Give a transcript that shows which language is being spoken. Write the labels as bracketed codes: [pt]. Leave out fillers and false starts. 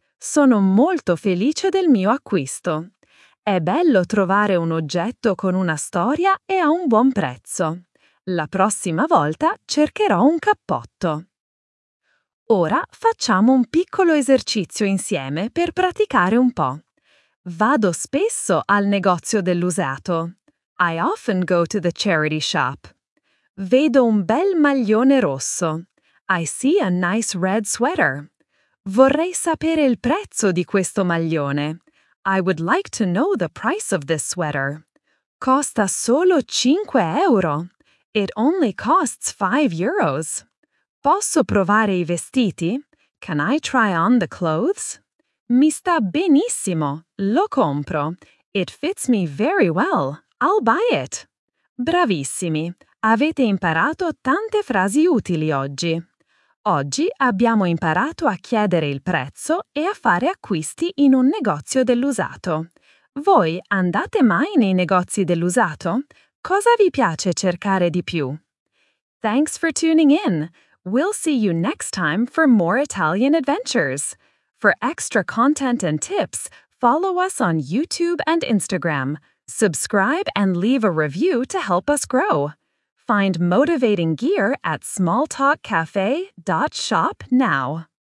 [it] Sono molto felice del mio acquisto. È bello trovare un oggetto con una storia e a un buon prezzo. La prossima volta cercherò un cappotto. Ora facciamo un piccolo esercizio insieme per praticare un po'. Vado spesso al negozio dell'usato. [en] I often go to the charity shop. [it] Vedo un bel maglione rosso. [en] I see a nice red sweater. [it] Vorrei sapere il prezzo di questo maglione. [en] I would like to know the price of this sweater. [it] Costa solo 5 euro. [en] It only costs 5 euros. [it] Posso provare i vestiti? [en] Can I try on the clothes? [it] Mi sta benissimo. Lo compro. [en] It fits me very well. I'll buy it. [it] Bravissimi. Avete imparato tante frasi utili oggi. Oggi abbiamo imparato a chiedere il prezzo e a fare acquisti in un negozio dell'usato. Voi andate mai nei negozi dell'usato? Cosa vi piace cercare di più? [en] Thanks for tuning in. We'll see you next time for more Italian adventures. For extra content and tips, follow us on YouTube and Instagram. Subscribe and leave a review to help us grow. Find motivating gear at smalltalkcafe.shop now.